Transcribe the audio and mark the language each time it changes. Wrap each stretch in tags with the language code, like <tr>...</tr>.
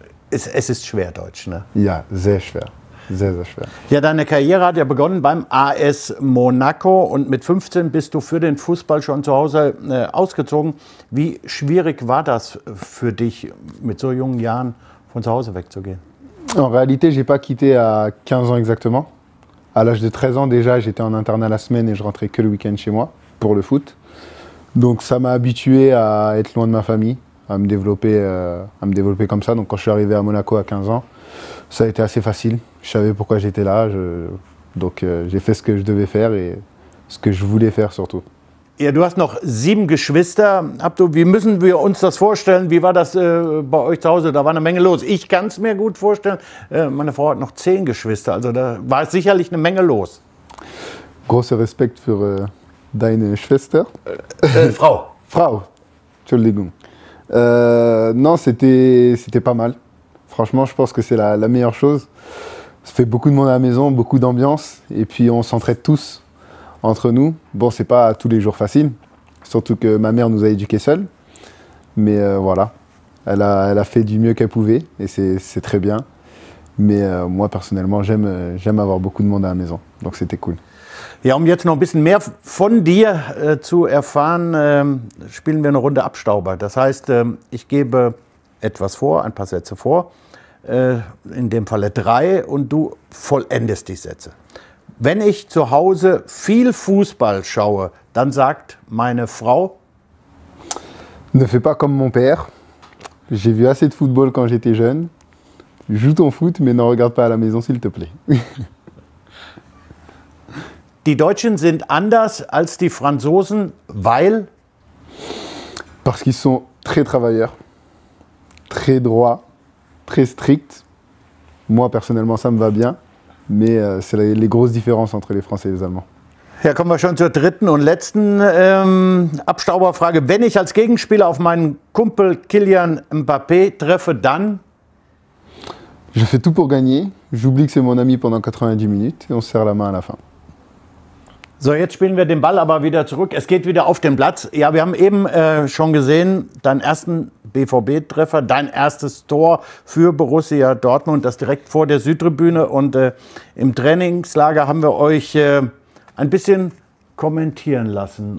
<de>Es ist schwer, Deutsch, ne? Ja, sehr schwer. Sehr, sehr schwer. Ja, deine Karriere hat ja begonnen beim AS Monaco und mit 15 bist du für den Fußball schon zu Hause ausgezogen. Wie schwierig war das für dich, mit so jungen Jahren von zu Hause wegzugehen?</de> <fr>En réalité, j'ai pas quitté à 15 ans exactement. À l'âge de 13 ans déjà, j'étais en internat la semaine et je rentrais que le week-end chez moi pour le foot. Donc ça m'a habitué à être loin de ma famille, à me développer comme ça. Donc quand je suis arrivé à Monaco à 15 ans, ça a été assez facile. Je savais pourquoi j'étais là. J'ai fait ce que je devais faire et ce que je voulais faire surtout.</fr> <de>Ja, du hast noch 7 Geschwister. Wie müssen wir uns das vorstellen? Wie war das bei euch zu Hause? Da war eine Menge los. Ich kann es mir gut vorstellen. Meine Frau hat noch 10 Geschwister. Also da war sicherlich eine Menge los. Großer Respekt für deine Schwester. Frau. Frau. Entschuldigung.</de> <fr>Non, c'était pas mal. Franchement, je pense que c'est la meilleure chose. Ça fait beaucoup de monde à la maison, beaucoup d'ambiance. Et puis, on s'entraide tous. Entre nous, bon, c'est pas tous les jours facile, surtout que ma mère nous a éduqués seuls. Mais voilà, elle a fait du mieux qu'elle pouvait et c'est très bien. Mais moi, personnellement, j'aime avoir beaucoup de monde à la maison, donc c'était cool.</fr> <de>Ja, jetzt noch ein bisschen mehr von dir zu erfahren, spielen wir eine Runde Abstauber. Das heißt, ich gebe etwas vor, ein paar Sätze vor, in dem Falle 3 und du vollendest die Sätze. Wenn ich zu Hause viel Fußball schaue, dann sagt meine Frau:</de> <fr>Ne fais pas comme mon père. J'ai vu assez de football quand j'étais jeune. Joue ton foot, mais ne regarde pas à la maison, s'il te plaît.</fr> <de>Die Deutschen sind anders als die Franzosen, weil?</de> <fr>Parce qu'ils sont très travailleurs, très droits, très stricts. Moi, personnellement, ça me va bien. Mais c'est les grosses différences entre les Français et les Allemands.</fr> <de>Ja, kommen wir schon zur dritten und letzten Abstauberfrage. Wenn ich als Gegenspieler auf meinen Kumpel Kylian Mbappé treffe, dann?</de> <fr>Je fais tout pour gagner. J'oublie que c'est mon ami pendant 90 minutes et on serre la main à la fin.</fr> <de>So, jetzt spielen wir den Ball aber wieder zurück. Es geht wieder auf den Platz. Ja, wir haben eben schon gesehen, deinen ersten BVB-Treffer, dein erstes Tor für Borussia Dortmund, das direkt vor der Südtribüne. Und im Trainingslager haben wir euch ein bisschen kommentieren lassen.</de>